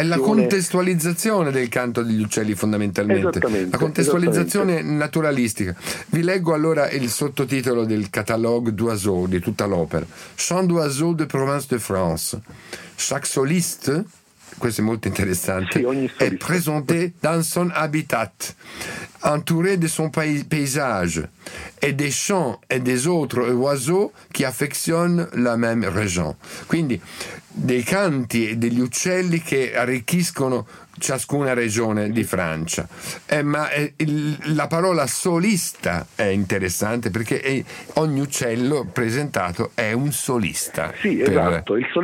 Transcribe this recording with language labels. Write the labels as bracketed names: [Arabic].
[Italian] È la contestualizzazione del canto degli uccelli, fondamentalmente. La contestualizzazione naturalistica. Vi leggo allora il sottotitolo del catalogue d'oiseaux di tutta l'opera: [French] Chant d'oiseaux de Provence de France. Chaque soliste. [Italian] Questo è molto interessante. Sì, è presente [French] dans son habitat, entouré de son paysage et des champs et des autres oiseaux qui affectionnent la même région. [Italian] Quindi dei canti e degli uccelli che arricchiscono ciascuna regione di Francia. La parola solista è interessante perché ogni uccello presentato è un solista. Sì, esatto.